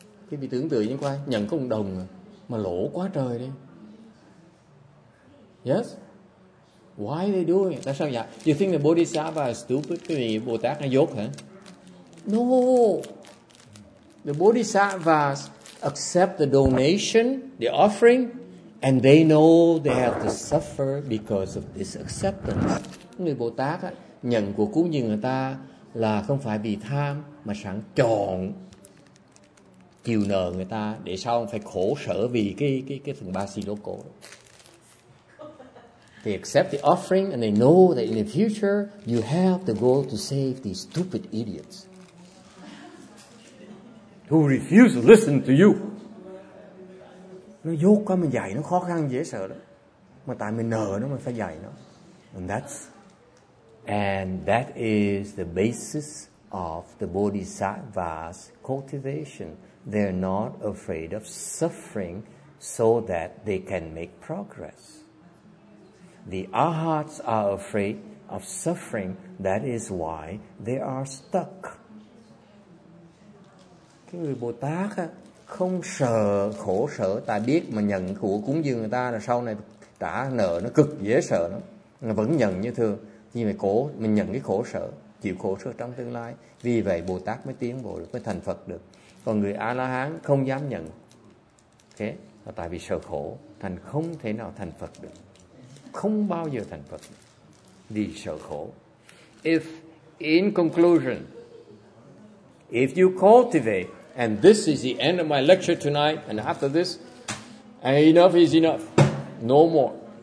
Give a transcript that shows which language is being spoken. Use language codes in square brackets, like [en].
[vi] Cái gì tưởng tượng như qua nhận có 1 đồng mà lỗ quá trời đi. [en] Yes. Why are they doing it? [vi] Tại sao vậy? [en] You think the Bodhisattva is stupid? [vi] Cái gì Bồ Tát nó dốt hả? [en] No. The Bodhisattvas accept the donation, the offering, and they know they have to suffer because of this acceptance. [vi] Người Bồ Tát á, nhận của cúng dường người ta là không phải vì tham, mà sẵn chọn chịu nợ người ta để sau phải khổ sở vì cái phần ba si lô cổ đó. [en] They accept the offering and they know that in the future you have the goal to save these stupid idiots who refuse to listen to you. [vi] Nó dốt quá mình dạy nó khó khăn dễ sợ lắm. Mà tại mình nợ nó mình phải dạy nó. [en] And that is the basis of the bodhisattva's cultivation. They're not afraid of suffering so that they can make progress. The arhats are afraid of suffering. That is why they are stuck. [vi] Cái người Bồ Tát á, không sợ khổ sở, ta biết mà nhận của cúng dường người ta là sau này trả nợ nó cực dễ sợ lắm. Vẫn nhận như thường, nhưng mà cố mình nhận cái khổ sở, chịu khổ sở trong tương lai. Vì vậy Bồ Tát mới tiến bộ được, mới thành Phật được. Còn người A-la-hán không dám nhận, thế là tại vì sợ khổ, thành không thể nào thành Phật được. Không bao giờ thành Phật được, vì sợ khổ. [en] If, in conclusion, if you cultivate, and this is the end of my lecture tonight, and after this, enough is enough, no more.